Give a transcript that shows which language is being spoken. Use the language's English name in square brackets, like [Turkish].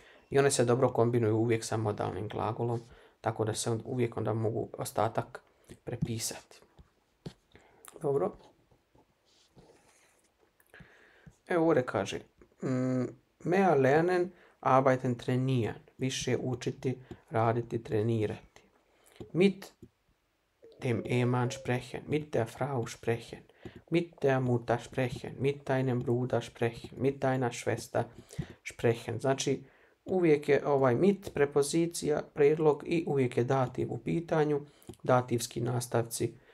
[Bosnian] I one se dobro kombinuju uvijek sa modalnim glagolom. Tako da se uvijek onda mogu ostatak prepisati. Dobro. Evo ovdje kaže. [German] Mehr lernen, arbeiten, trainieren. [Bosnian] Više učiti, raditi, trenirati. [German] Mit dem Ehemann sprechen. Mit der Frau sprechen. Mit der Mutter sprechen. Mit deinem Bruder sprechen. Mit deiner Schwester sprechen. [Bosnian] Znači, uvijek je ovaj mit prepozicija, predlog i uvijek je dativ u pitanju, dativski nastavci.